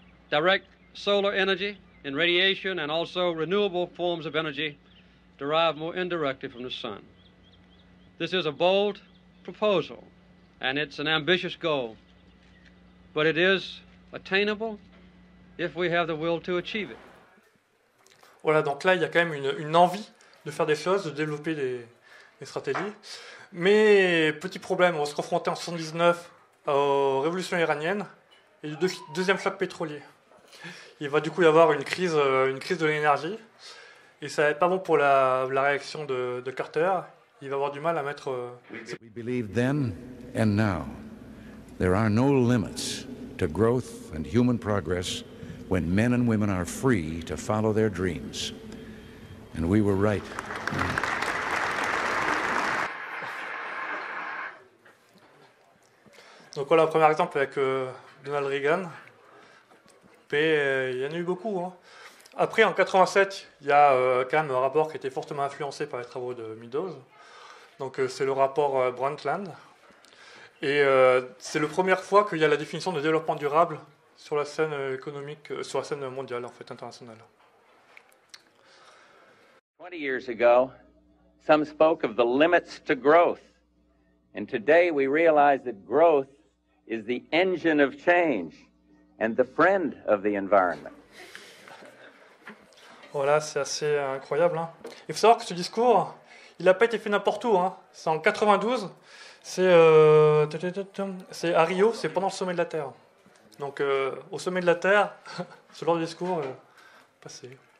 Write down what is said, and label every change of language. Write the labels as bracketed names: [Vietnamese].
[English] Direct solar energy and radiation and also renewable forms of energy derived more indirectly from the sun. This is a bold proposal and it's an ambitious goal, but it is attainable if we have the will to achieve it. [French] Voilà, donc là, il y a quand même une envie de faire des choses, de développer des stratégies. Mais petit problème, on va se confronter en 1979 aux révolutions iraniennes et au deuxième choc pétrolier. Il va du coup y avoir une crise de l'énergie, et ça n'est pas bon pour la réaction de Carter. Il va avoir du mal à mettre... [English] We believe then and now there are no limits to growth and human progress when men and women are free to follow their dreams. And we were right. [French] Donc voilà, premier exemple avec Donald Reagan. Mais il y en a eu beaucoup. Hein. Après, en 87, il y a quand même un rapport qui a été fortement influencé par les travaux de Meadows. Donc c'est le rapport Brundtland. Et c'est la première fois qu'il y a la définition de développement durable sur la scène économique, sur la scène mondiale, en fait, internationale. [English] 20 years ago, some spoke of the limits to growth. And today, we realize that growth is the engine of change and the friend of the environment. [French] Voilà, c'est assez incroyable. Hein. Il faut savoir que ce discours, il n'a pas été fait n'importe où. Hein. C'est en 92. C'est à Rio, c'est pendant le sommet de la Terre. Donc, au sommet de la Terre, ce genre de discours est passé.